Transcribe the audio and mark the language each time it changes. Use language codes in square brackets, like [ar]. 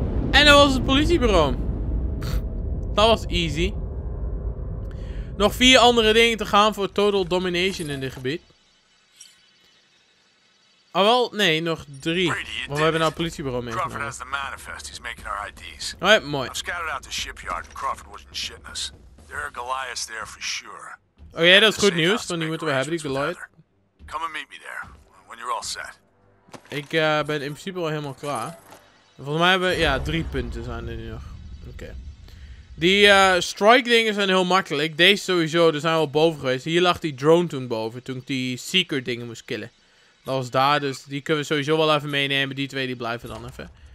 [nl] En dat was het politiebureau. Dat was easy. Nog 4 andere dingen te gaan voor [en] total domination [nl] in dit gebied. Ah, wel, nee, nog 3. Want we hebben nou het politiebureau mee. [en] Crawford has the manifest. He's making our IDs. Oh, yeah, mooi. I've scouted out the shipyard. Crawford wasn't shitting us. There are Goliaths there for sure. [nl] Oké, okay, dat is goed nieuws. Dan moeten we hebben die Goliath. [en] Come and meet me there when you're all set. [nl] Ik ben in principe al helemaal klaar. Volgens mij hebben we, ja, 3 punten zijn er nu nog. Oké. Okay. Die strike dingen zijn heel makkelijk. Deze sowieso, daar zijn we al boven geweest. Hier lag die drone toen boven, toen ik die seeker dingen moest killen. Dat was daar, dus die kunnen we sowieso wel even meenemen. Die 2 die blijven dan even.